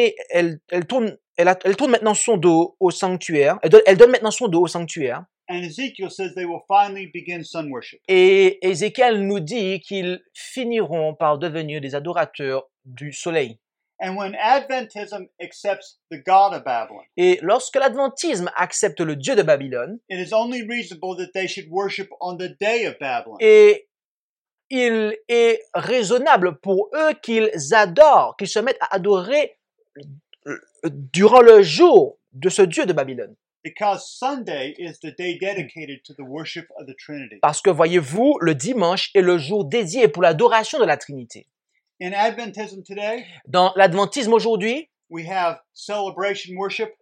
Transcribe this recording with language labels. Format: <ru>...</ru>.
<fr>Elle tourne maintenant son dos au sanctuaire. Elle donne maintenant son dos au sanctuaire.</fr> <en>And Ezekiel says they will finally begin sun worship.</en> <fr>Et Ézéchiel nous dit qu'ils finiront par devenir des adorateurs du soleil.</fr> <en>And when Adventism accepts the God of Babylon.</en> <fr>Et lorsque l'adventisme accepte le dieu de Babylone.</fr> <en>It is only reasonable that they should worship on the day of Babylon.</en> <fr>Et il est raisonnable pour eux qu'ils adorent, qu'ils se mettent à adorer durant le jour de ce dieu de Babylone.</fr> <en>Because Sunday is the day dedicated to the worship of the Trinity.</en> <fr>Parce que voyez-vous, le dimanche est le jour dédié pour l'adoration de la Trinité.</fr> <en>In Adventism today,</en> <fr>dans l'adventisme aujourd'hui,</fr> <en>we have celebration worship.</en>